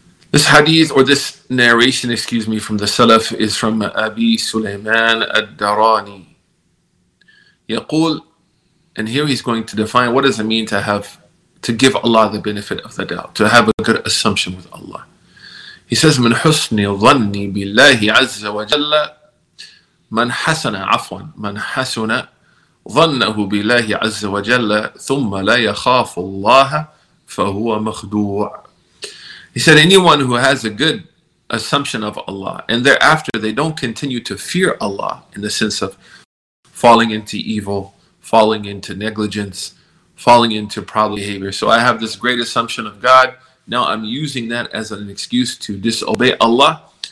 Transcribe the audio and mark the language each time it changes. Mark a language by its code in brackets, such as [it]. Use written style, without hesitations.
[en] This hadith, or this narration, excuse me, from the Salaf is from Abi Sulaiman al-Darani. Yaqul, and here he's going to define what does it mean to have, to give Allah the benefit of the doubt, to have a good assumption with Allah. [ar] He says, من حسن ظني بالله عز وجل من حسن عفوا من حسن ظنه بالله عز وجل ثم لا يخاف الله فهو مخدوع. [en] He said, anyone who has a good assumption of Allah and thereafter they don't continue to fear Allah in the sense of falling into evil, falling into negligence, falling into proud behavior. So I have this great assumption of God, now I'm using that as an excuse to disobey Allah.